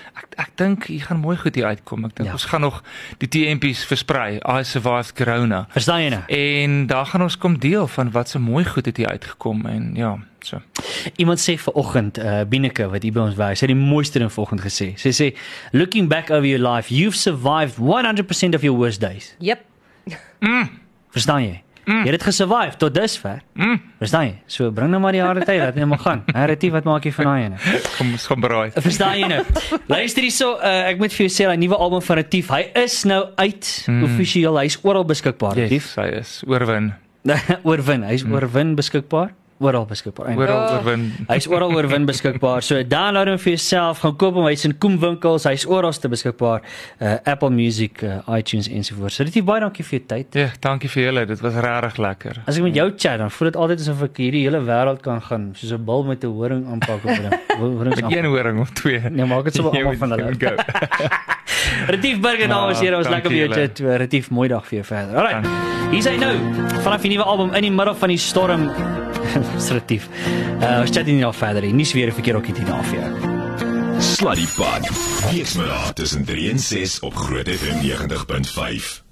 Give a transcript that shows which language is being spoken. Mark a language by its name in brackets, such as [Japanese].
[Afrikaans] Ek dink jy gaan mooi goed hier uitkom. Ek dink ons gaan nog die TMP's versprei, [English] I survived corona. [Afrikaans] Verstaan jy nou? En daar gaan ons kom deel van wat so mooi goed het hier uitgekom en ja, so. Iemand sê vanoggend, Bieneke, wat hier by ons was, sy het die mooiste ding vanoggend gesê. Sy sê, [English] looking back over your life, you've survived 100% of your worst days. Yep. [Afrikaans] Verstaan jy? Jy het gesurvive tot dusver. Verstaan jy? So bring nou maar die harde tyd, laat net maar gaan. Heretief, wat maak jy van daai ene? Kom, ons gaan braai. Verstaan jy nou? Luister hierso, ek moet vir jou sê, die nuwe album van Retief, hy is nou uit, offisieel, hy is oral beskikbaar. Retief, yes, hy is oorwin. Oorwin, hy is oorwin beskikbaar. Oral beskikbaar. Oral oorwin. Hy is oral oorwin beskikbaar. So download hom vir jouself, gaan koop hom, hy is in Koemwinkels, hy is oralste beskikbaar. Apple Music, iTunes ensovoorts. So Ritief, baie dankie vir jou tyd. Ja, dankie vir julle. Dit was regtig lekker. As ek met jou chat, dan voel dit altyd asof ek hierdie hele wêreld kan gaan soos 'n bil met 'n horing aanpak op hom. Met een horing of twee. Nee, maak dit sommer almal van hulle. Ritief Burger namens hier, ons lekker bietjie toe. Ritief, mooi dag vir jou verder. Alright. Hier is hy nou vanaf die nuwe album in die middel van die storm. Stratief. Ons chat nie al verder nie. Nies weer 'n verkeer ook hier na vir jou. Sluddy Pod. Weesmiddag tussen 3 en 6 op Groot FM 90.5.